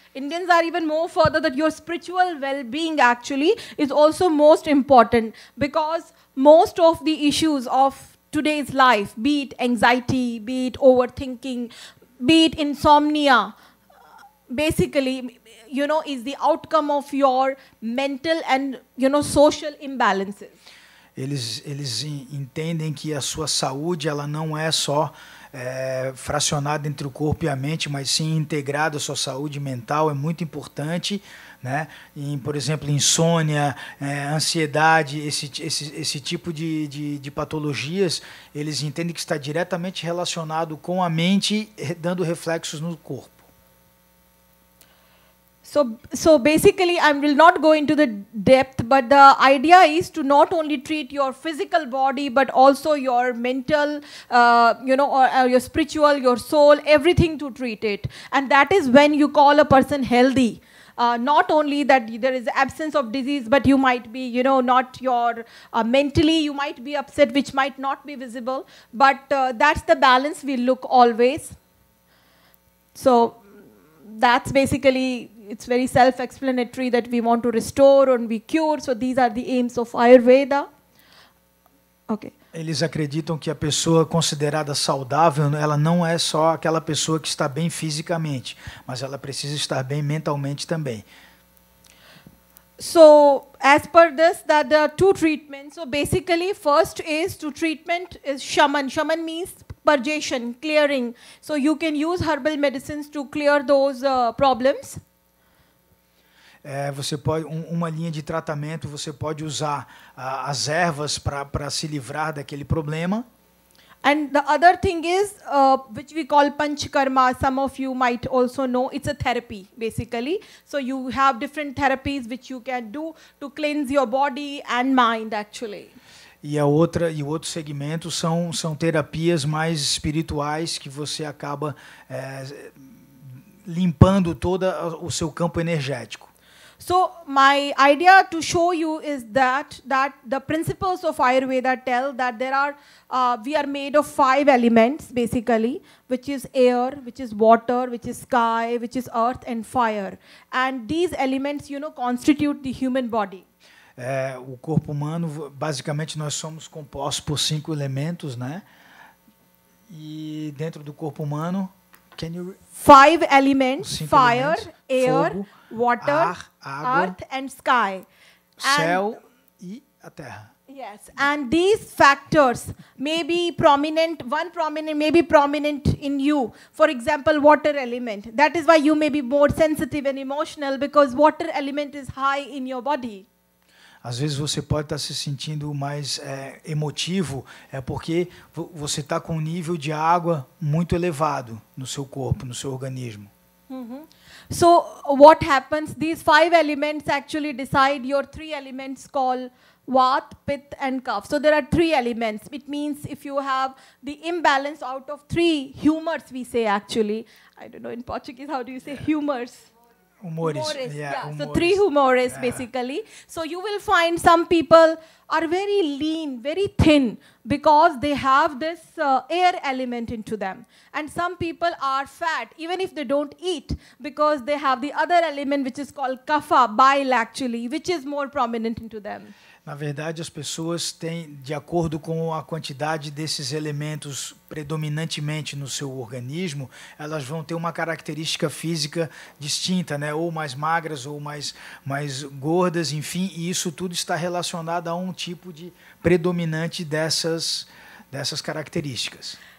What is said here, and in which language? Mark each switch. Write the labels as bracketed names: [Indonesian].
[English] Indians are even more further that your spiritual well-being actually is also most important because most of the issues of today's life, be it anxiety, be it overthinking, be it insomnia, basically, you know, is the outcome of your mental and, you know, social imbalances. [Portuguese] Eles entendem que a sua saúde ela não é só fracionada entre o corpo e a mente, mas sim integrada. A sua saúde mental é muito importante, né? Em, por exemplo, insônia, ansiedade, esse tipo de patologias, eles entendem que está diretamente relacionado com a mente, dando reflexos no corpo. [English] So basically, I will not go into the depth, but the idea is to not only treat your physical body, but also your mental, or your spiritual, your soul, everything to treat it. And that is when you call a person healthy. Not only that there is absence of disease, but you might be, you know, not your mentally, you might be upset, which might not be visible. But that's the balance we look always. So that's basically... It's very self-explanatory that we want to restore and we cure. So these are the aims of Ayurveda. Okay. [Portuguese] Eles acreditam que a pessoa considerada saudável, ela não é só aquela pessoa que está bem fisicamente, mas ela precisa estar bem mentalmente também. [English] So as per this, that there are two treatments. So basically, first is to treatment is shaman. Shaman means purgation, clearing. So you can use herbal medicines to clear those problems. [Portuguese] Você pode uma linha de tratamento, você pode usar as ervas para se livrar daquele problema. [English] And the other thing is which we call panchkarma, some of you might also know, it's a therapy basically. So you have different therapies which you can do to cleanse your body and mind actually. [Portuguese] E o outro segmento são terapias mais espirituais que você acaba limpando todo o seu campo energético. [English] So my idea to show you is that the principles of Ayurveda tell that there are we are made of five elements basically, which is air, which is water, which is sky, which is earth and fire, and these elements, you know, constitute the human body. [Portuguese] O corpo humano, basicamente, nós somos compostos por cinco elementos, né? E dentro do corpo humano, [English] five elements: fire, [Portuguese] elementos, [English] air, [Portuguese] fogo, [English] water, [Portuguese] ar, água, [English] earth and sky. [Portuguese] Céu e a terra. [English] Yes, and these factors may be prominent, one prominent may be prominent in you. For example, water element. That is why you may be more sensitive and emotional because water element is high in your body. Às vezes você pode estar se sentindo mais emotivo, é porque você está com um nível de água muito elevado no seu corpo, no seu organismo. Mm-hmm. So, what happens? These five elements actually decide your three elements called Vat, Pit and Kaph. So, there are three elements. It means if you have the imbalance out of three humors, we say actually. I don't know in Portuguese, how do you say humors? [Portuguese] Humores. [English] So, three humores basically. So, you will find some people are very lean, very thin because they have this air element into them. And some people are fat, even if they don't eat, because they have the other element which is called Kapha, bile actually, which is more prominent into them. [Portuguese] Na verdade, as pessoas têm, de acordo com a quantidade desses elementos predominantemente no seu organismo, elas vão ter uma característica física distinta, né? Ou mais magras, ou mais gordas, enfim, e isso tudo está relacionado a um tipo de predominante dessas características.